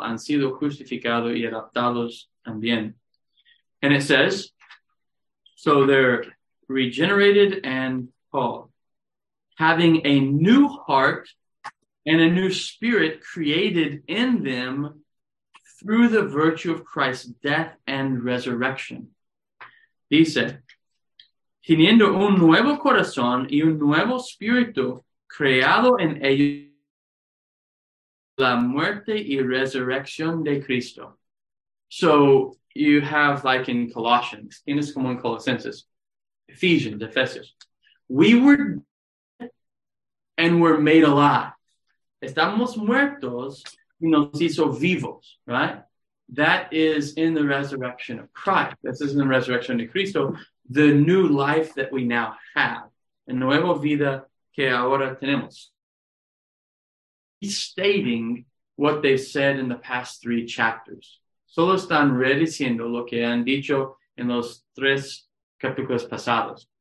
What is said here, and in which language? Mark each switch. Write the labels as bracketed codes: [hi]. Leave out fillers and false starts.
[es] Han sido justificados y adoptados también. [en] And it says, so they're regenerated and called, having a new heart and a new spirit created in them through the virtue of Christ's death and resurrection. [es] Dice, teniendo un nuevo corazón y un nuevo espíritu creado en ellos, la muerte y resurrección de Cristo. So you have like in Colossians, tienes como en Colossenses, Ephesians, Ephesians. [en] We were dead and were made alive. [es] Estamos muertos y nos hizo vivos, [en] right? That is in the resurrection of Christ. This is in the resurrection of Cristo, the new life that we now have. [es] A nueva vida que ahora tenemos. [en] Stating what they said in the past three chapters. [es] Solo están rediciendo lo que han dicho en los tres capítulos pasados.